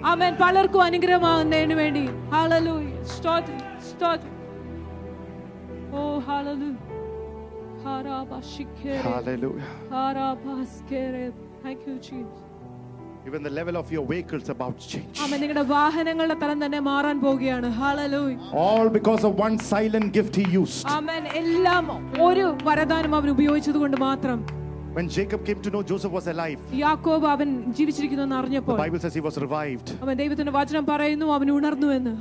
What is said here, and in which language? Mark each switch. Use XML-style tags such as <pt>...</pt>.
<ml>Amen. Palarku anugraham aagunnathinu vendi. Hallelujah.</ml> <en>Start. Start. Oh, hallelujah. Harabashikere. Hallelujah. Harabaskere. Thank you, Jesus. Even the level of your vehicles about to change. Amen.</en> <ml>നിങ്ങളുടെ വാഹനങ്ങളുടെ തരം തന്നെ മാറാൻ പോവുകയാണ്.</ml> <en>Hallelujah. All because of one silent gift he used. Amen.</en> <ml>എല്ലാം ഒരു വരദാനം അവൻ ഉപയോഗിച്ചതുകൊണ്ട് മാത്രം.</ml> <en>When Jacob came to know Joseph was alive.</en> <ml>യാക്കോബ് അവൻ ജീവിച്ചിരിക്കുന്നെന്ന് അറിഞ്ഞപ്പോൾ.</ml> <en>The Bible says he was revived.</en> <ml>അവൻ ദൈവത്തിന്റെ വചനം പറയുന്നു അവൻ ഉണർന്നു എന്ന്.</ml>